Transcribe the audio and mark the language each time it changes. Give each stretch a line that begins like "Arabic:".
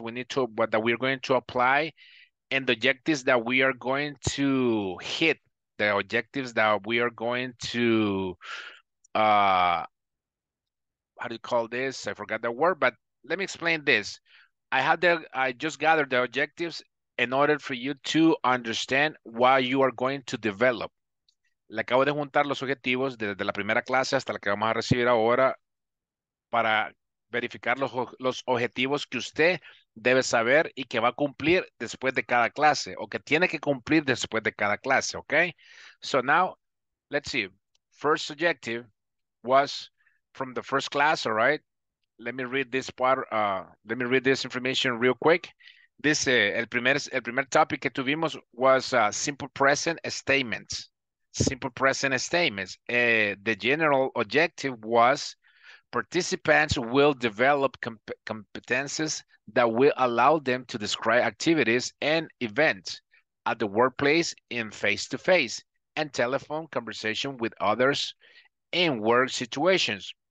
English: We need to, what that we are going to apply and the objectives that we are going to hit, the objectives that we are going to, how do you call this? I forgot the word, but let me explain this. I just gathered the objectives in order for you to understand why you are going to develop.
Spanish: Le acabo de juntar los objetivos desde la primera clase hasta la que vamos a recibir ahora para verificar los objetivos que usted debe saber y que va a cumplir después de cada clase o que tiene que cumplir después de cada clase, okay?
English: So now, let's see. First objective was from the first class, all right? Let me read this part, let me read this information real quick. This,
Spanish: el primer topic que tuvimos
English: was simple present statements. Simple present statements. The general objective was participants will develop competences that will allow them to describe activities and events at the workplace in face-to-face and telephone conversation with others in work situations.